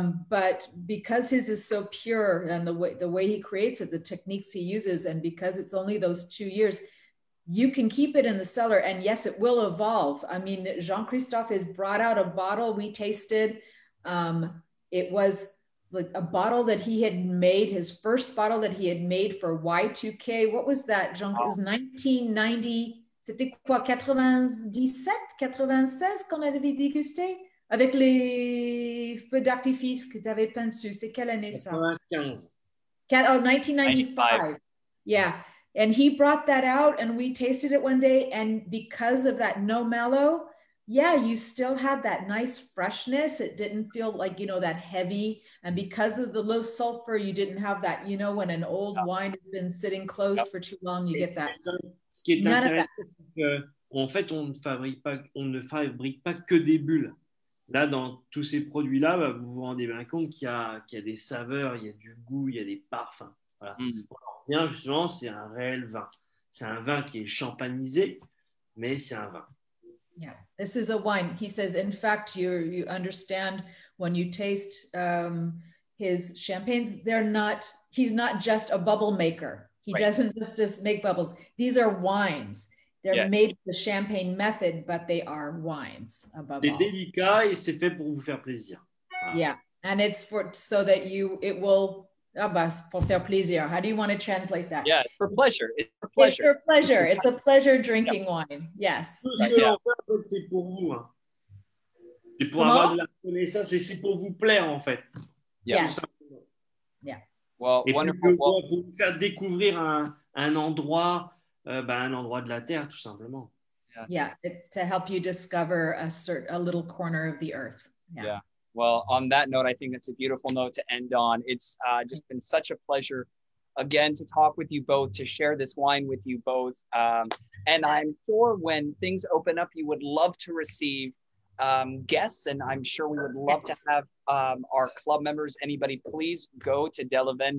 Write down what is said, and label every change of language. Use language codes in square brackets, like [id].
[en] But because his is so pure, and the way he creates it, the techniques he uses, and because it's only those 2 years, you can keep it in the cellar. And yes, it will evolve. I mean, Jean-Christophe has brought out a bottle we tasted. It was like a bottle that he had made, his first bottle that he had made for Y2K. What was that, Jean? It was 1990. [fr] C'était quoi, 97, 96, qu'on avait dégusté? Avec les feux d'artifice que tu avais peintus. C'est quelle année ça? 1995. Yeah. [en] And he brought that out and we tasted it one day. And because of that no mellow, yeah, you still had that nice freshness. It didn't feel like, you know, that heavy. And because of the low sulfur, you didn't have that, you know, when an old wine has been sitting closed for too long, you get that. [fr] Ce qui est intéressant, c'est qu'en fait, on ne fabrique pas que des bulles. Là, dans tous ces produits-là, bah, vous vous rendez bien compte qu'il y a des saveurs, il y a du goût, il y a des parfums. Voilà. Mm-hmm. On en revient justement, c'est un réel vin. C'est un vin qui est champagnisé, mais c'est un vin. [en] Yeah, this is a wine. He says, in fact, you understand when you taste his champagnes, they're not, he's not just a bubble maker. He doesn't just make bubbles. These are wines. They're made the champagne method, but they are wines above all. [fr] C'est délicat et c'est fait pour vous faire plaisir. [en] Yeah, and it's for so that you, it will, [fr] pour faire plaisir. [en] How do you want to translate that? Yeah, for pleasure. It's for pleasure. It's for pleasure. It's a pleasure drinking wine. Yes. [fr] C'est pour vous. C'est pour avoir de la connaissance et c'est pour vous plaire, en fait. [en] Yes. Yeah. Well, et wonderful. [fr] Pour vous faire découvrir un endroit. Un endroit de la terre, tout simplement. [en] To help you discover a little corner of the earth. Well, on that note, I think that's a beautiful note to end on. It's just been such a pleasure, again, to talk with you both, to share this wine with you both. And I'm sure when things open up, you would love to receive guests, and I'm sure we would love to have our club members, anybody, please go to Delavenne.